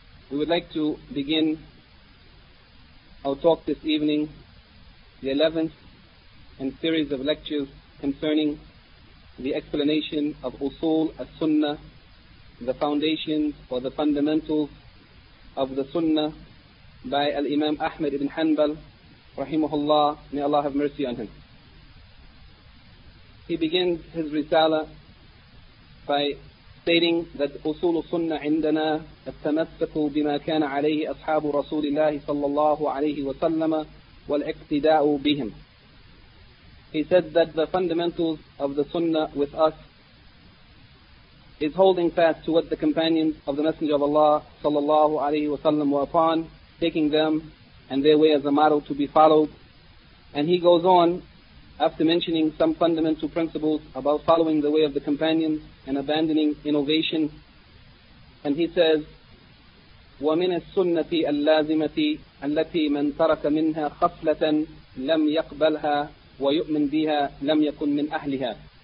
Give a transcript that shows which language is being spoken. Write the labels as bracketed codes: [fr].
[en] We would like to begin our talk this evening, the 11th in series of lectures concerning the explanation of Usul as-Sunnah, the foundations or the fundamentals of the Sunnah, by Al-Imam Ahmad ibn Hanbal, rahimahullah, may Allah have mercy on him. He begins his risala by stating that Usul Sunnah [ar] عندنا التمسك بما كان عليه أصحاب رسول الله صلى الله عليه وسلم والاقتداء بهم. [en] He said that the fundamentals of the Sunnah with us is holding fast to what the companions of the Messenger of Allah [ar] صلى الله عليه وسلم [en] were upon, taking them and their way as a model to be followed. And he goes on, after mentioning some fundamental principles about following the way of the companions and abandoning innovation, and he says, [ar] وَمِنَ السُّنَّةِ اللَّازِمَةِ الَّتِي مَنْ تَرَكَ مِنْهَا خَفْلَةً لَمْ يَقْبَلْهَا وَيُؤْمِنْ بِهَا لَمْ يَكُنْ مِنْ أَهْلِهَا.